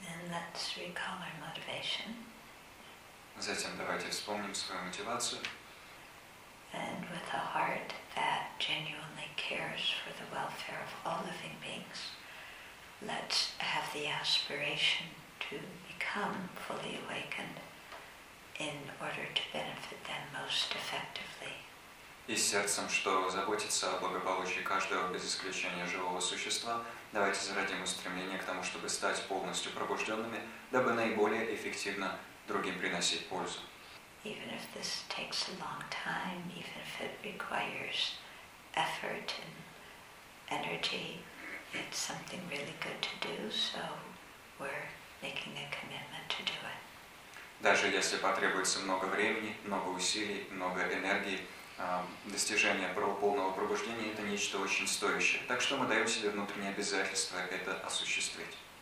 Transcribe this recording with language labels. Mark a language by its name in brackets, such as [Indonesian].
[English] Let's recall our motivation. [Russian] Затем давайте вспомним свою мотивацию. [English] And with a heart that genuinely cares for the welfare of all living beings, let's have the aspiration to become fully awakened in order to benefit them most effectively. [Russian] И с сердцем, что заботится о благополучии каждого без исключения живого существа, давайте зародим устремление к тому, чтобы стать полностью пробужденными, дабы наиболее эффективно другим приносить пользу. [English] Even if this takes a long time, even if it requires effort and energy, it's something really good to do, so we're making a commitment to do it. [Russian] Даже если потребуется много времени, много усилий, много энергии, достижение полного пробуждения – это нечто очень стоящее. Так что мы даем себе внутреннее обязательство это осуществить.